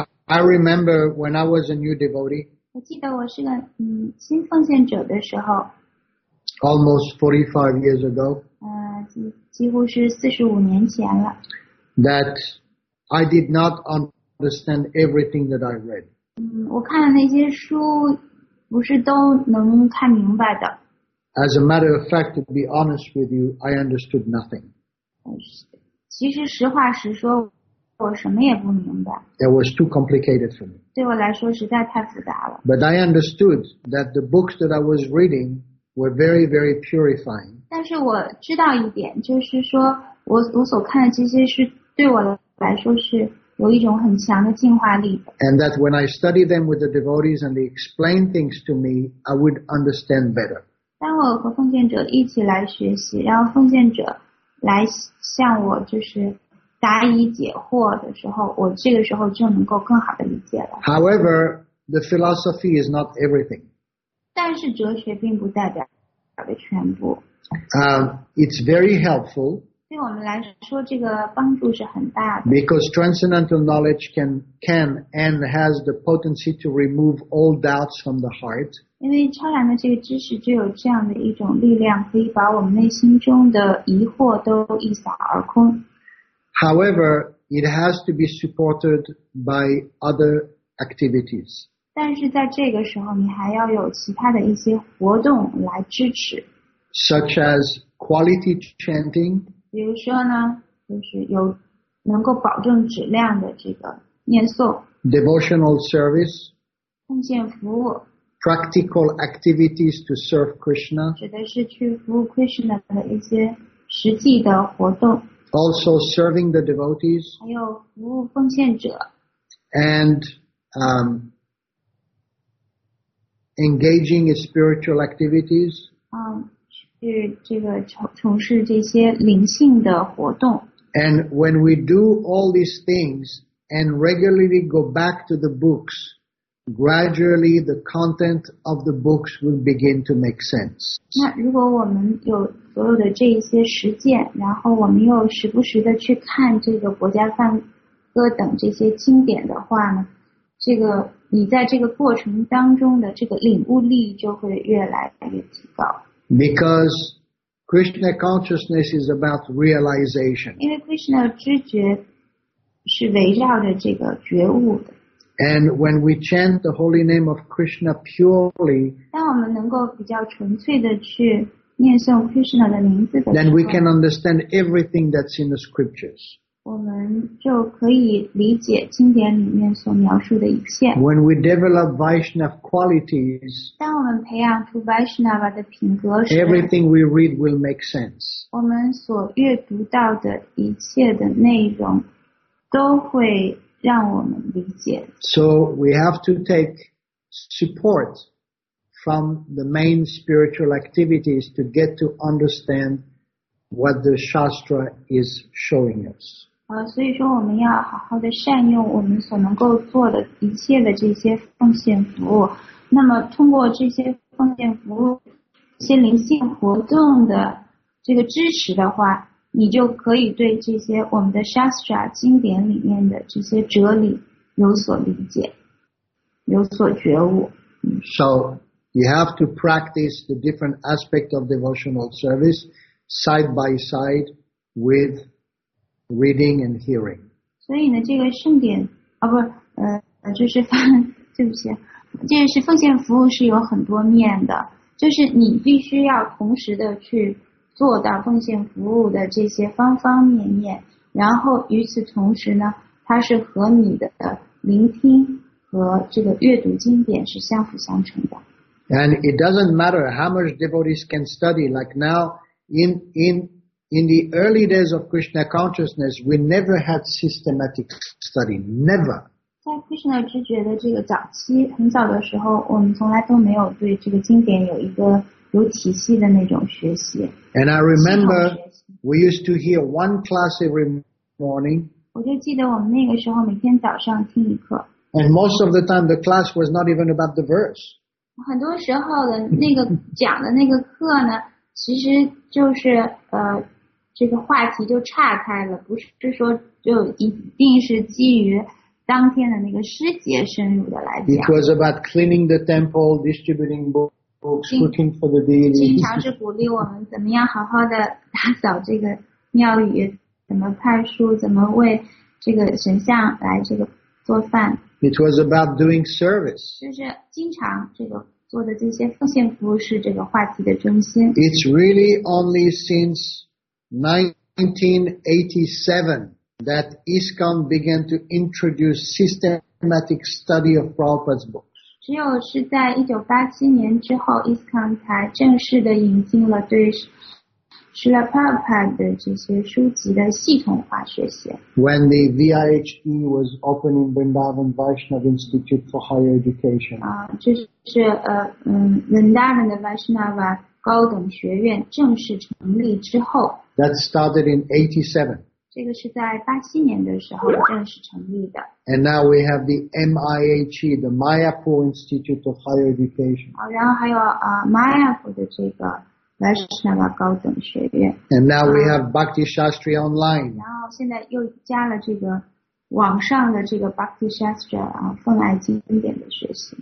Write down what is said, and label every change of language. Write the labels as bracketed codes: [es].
[en] I remember when I was a new devotee. [zh] 我记得我是个新奉献者的时候。 [en] Almost 45 years ago. [zh] 几乎是45年前了。 [en] That I did not understand everything that I read. [zh] 我看的那些书不是都能看明白的。 [en] As a matter of fact, to be honest with you, I understood nothing. [zh] 其实实话实说，我什么也不明白。 [en] It was too complicated for me. [zh] 对我来说实在太复杂了。 [en] But I understood that the books that I was reading were very, very purifying. [zh] 但是我知道一点，就是说我所看的这些是对我来说是有一种很强的净化力的。 [en] And that when I study them with the devotees and they explain things to me, I would understand better. [zh] 当我和奉献者一起来学习，然后奉献者来向我就是答疑解惑的时候，我这个时候就能够更好的理解了。 [en] However, the philosophy is not everything. [zh] 但是哲学并不代表的全部。 [en] It's very helpful. [zh] 对我们来说，这个帮助是很大的。 [en] Because transcendental knowledge can and has the potency to remove all doubts from the heart. [zh] 因为超然的这个知识就有这样的一种力量，可以把我们内心中的疑惑都一扫而空。 [en] However, it has to be supported by other activities. [zh] 但是在这个时候，你还要有其他的一些活动来支持。 [en] Such as quality chanting. [zh] 比如说呢，就是有能够保证质量的这个念诵 [en] ，devotional service， [zh] 奉献服务 [en] ，practical activities to serve Krishna， [zh] 指的是去服务 Krishna 的一些实际的活动 [en] ，also serving the devotees， [zh] 还有服务奉献者 [en] ，and engaging in spiritual activities。 [zh] 是这个从事这些灵性的活动。 [en] And when we do all these things and regularly go back to the books, gradually the content of the books will begin to make sense. [zh] 那如果我们有所有的这一些实践，然后我们又时不时的去看这个国家梵歌等这些经典的话呢，这个你在这个过程当中的这个领悟力就会越来越提高。 [en] Because Krishna consciousness is about realization. [zh] 因为 Krishna 知觉是围绕着这个觉悟的。 [en] And when we chant the holy name of Krishna purely, [zh] 当我们能够比较纯粹的去念诵 Krishna 的名字的时候， [en] then we can understand everything that's in the scriptures. [zh] 我们就可以理解经典里面所描述的一切。 [en] When we develop Vaishnava qualities, [zh] 当我们培养出 Vaishnava 的品格时， [en] everything we read will make sense. [zh] 我们所阅读到的一切的内容都会让我们理解。 [en] So we have to take support from the main spiritual activities to get to understand what the Shastra is showing us. [zh] 所以说我们要好好的善用我们所能够做的一切的这些奉献服务。那么通过这些奉献服务，一些灵性活动的这个支持的话，你就可以对这些我们的 Shastra 经典里面的这些哲理有所理解，有所觉悟。 [en] So you have to practice the different aspects of devotional service side by side with reading and hearing. [zh] 所以呢，这个圣典啊，不，就是对不起，这个是奉献服务是有很多面的，就是你必须要同时的去做到奉献服务的这些方方面面，然后与此同时呢，它是和你的聆听和这个阅读经典是相辅相成的。 [en] And it doesn't matter how much devotees can study, like now in the early days of Krishna consciousness, we never had systematic study, never. [zh] 在 Krishna 知觉的这个早期，很早的时候，我们从来都没有对这个经典有一个有体系的那种学习。 [en] And I remember we used to hear one class every morning. [zh] 我就记得我们那个时候每天早上听一课。 [en] And most of the time, the class was not even about the verse. [zh] 很多时候的那个讲的那个课呢。其实就是这个话题就岔开了，不是说就一定是基于当天的那个师节深入的来讲。 [en] It was about cleaning the temple, distributing books, looking for the deities. [zh] 经常是鼓励我们怎么样好好的打扫这个庙宇，怎么派书，怎么为这个神像来这个做饭。 [en] It was about doing service. [zh] 就是经常这个。做的这些奉献服务是这个话题的中心。 [en] It's really only since 1987 that ISKCON began to introduce systematic systematic study of Prabhupada's books. [zh] 只有是在1987年之后 ，ISKCON 才正式的引进了对 Srila Prabhupada 的这些书籍的系统化学习。 [en] When the VIHB was opening Vrindavan Vaishnava Institute for Higher Education. [zh] 啊，就是Vrindavan 的 Vaishnava 高等学院正式成立之后。 [en] That started in 1987. [zh] 这个是在87年的时候正式成立的。 [en] And now we have the MIHE, the Mayapur Institute of Higher Education. [zh] 然后还有Mayapur 的这个 Vaishnava 高等学院。 [en] And now we have Bhakti Shastri Online. [zh] 然后现在又加了这个网上的这个 Bhakti Shastri 奉爱经典的学习。